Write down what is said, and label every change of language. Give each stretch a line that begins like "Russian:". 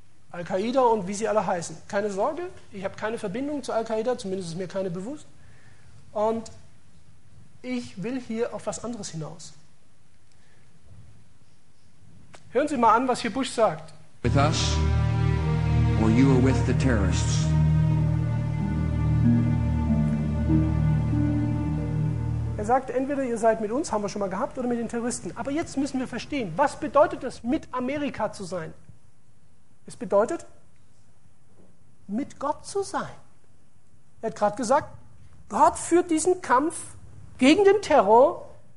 German: Al-Qaida und wie sie alle heißen. Keine Sorge, ich habe keine Verbindung zu Al-Qaida, zumindest ist mir keine bewusst. Und ich will hier auf was anderes hinaus. Hören Sie mal an, was hier Bush sagt.
English: With us, or you are with the terrorists.
German: Er sagt, entweder ihr seid mit uns, haben wir schon mal gehabt, oder mit den Terroristen. Aber jetzt müssen wir verstehen, was bedeutet es, mit Amerika zu sein? Es bedeutet, mit Gott zu sein. Er hat gerade gesagt, Gott führt diesen Kampf gegen den Terror